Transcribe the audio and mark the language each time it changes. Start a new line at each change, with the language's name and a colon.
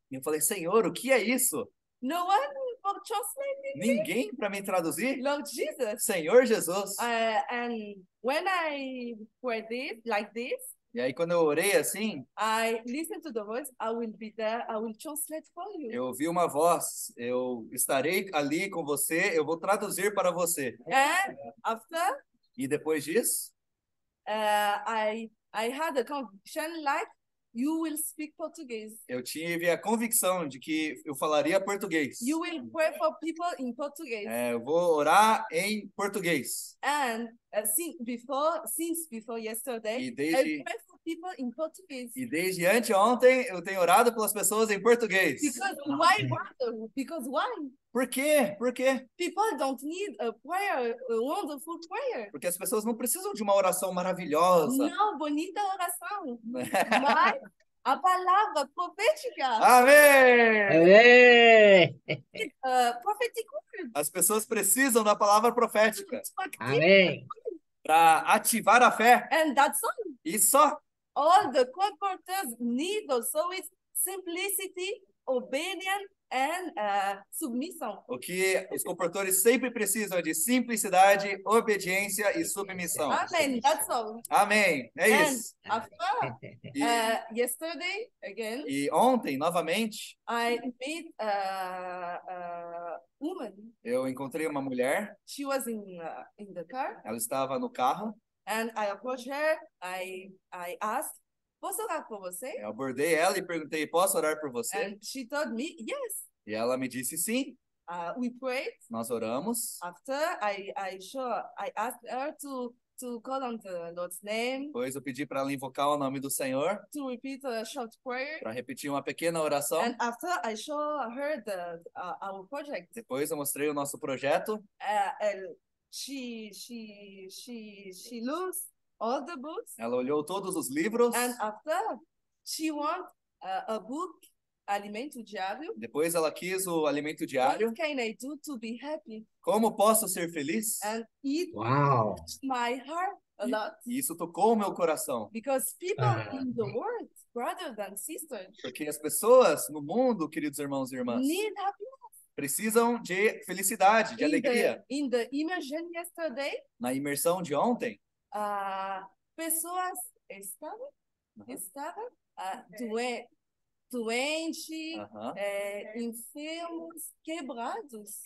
Portuguese: Eu falei, Senhor, o que é isso?
English: No one for translating.
Portuguese: Ninguém para me traduzir?
English: Lord Jesus.
Portuguese: Senhor Jesus.
English: And when I prayed it like this.
Portuguese: E aí quando eu orei assim,
English: I listen to the voice, I will be there, I will translate for you.
Portuguese: Eu ouvi uma voz, eu estarei ali com você, eu vou traduzir para você.
English: And after?
Portuguese: E depois disso?
English: I had a conviction like you will speak Portuguese.
Portuguese: Eu tive a convicção de que eu falaria português.
English: You will pray for people in Portuguese.
Portuguese: Eu vou orar em português.
English: And since before yesterday, I pray for people in Portuguese.
Portuguese: E desde anteontem eu tenho orado pelas pessoas em português.
English: Because why?
Portuguese: Por quê?
English: People don't need a prayer, a wonderful prayer.
Portuguese: Porque as pessoas não precisam de uma oração maravilhosa. Não, bonita oração. Mas a palavra profética. Amém! Profético. As pessoas precisam da palavra profética. Amém! Para ativar a fé.
English: And that's all.
Portuguese: E só.
English: All the comforters need also is simplicity, obedience, and submission.
Portuguese: O que os comportadores sempre precisam é de simplicidade, obediência e submissão.
English: Amém. That's all.
Portuguese: Amém. É
English: and
Portuguese: isso.
English: After, yesterday again.
Portuguese: E ontem novamente.
English: I met a woman.
Portuguese: Eu encontrei uma mulher.
English: She was in the car.
Portuguese: Ela estava no carro.
English: And I approached her. I asked.
Portuguese: Posso orar por você? Eu abordei ela e perguntei, posso orar por você?
English: And she told me, yes.
Portuguese: E ela me disse sim.
English: We prayed.
Portuguese: Nós oramos.
English: After I asked her to call on the Lord's name.
Portuguese: Pois eu pedi para ela invocar o nome do Senhor.
English: To repeat a short prayer.
Portuguese: Para repetir uma pequena oração.
English: And after I showed her our project.
Portuguese: Depois eu mostrei o nosso projeto.
English: She looks. All the books.
Portuguese: Ela olhou todos os livros.
English: And after, she want a book, Alimento Diário.
Portuguese: Depois ela quis o Alimento Diário.
English: What can I do to be happy?
Portuguese: Como posso ser feliz?
English: And it wow. My heart a lot.
Portuguese: E isso tocou o meu coração.
English: Because people in the world, brothers and sisters,
Portuguese: porque as pessoas no mundo, queridos irmãos e irmãs,
English: need happiness.
Portuguese: Precisam de felicidade, de alegria.
English: In the immersion yesterday,
Portuguese: na imersão de ontem, pessoas estavam doentes, enfermos, quebrados.